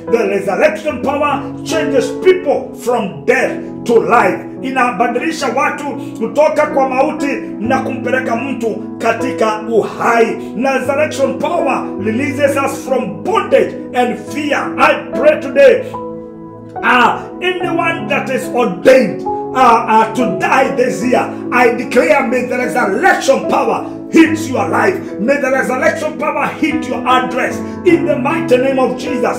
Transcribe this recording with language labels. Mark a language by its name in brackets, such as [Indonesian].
[English] The resurrection power changes people from death to life. [Swahili] Inabadilisha watu kutoka kwa mauti na kumpeleka mtu katika uhai. [English] The resurrection power releases us from bondage and fear. I pray today, anyone that is ordained to die this year, I declare may the resurrection power hits your life. May the resurrection power hit your address in the mighty name of Jesus.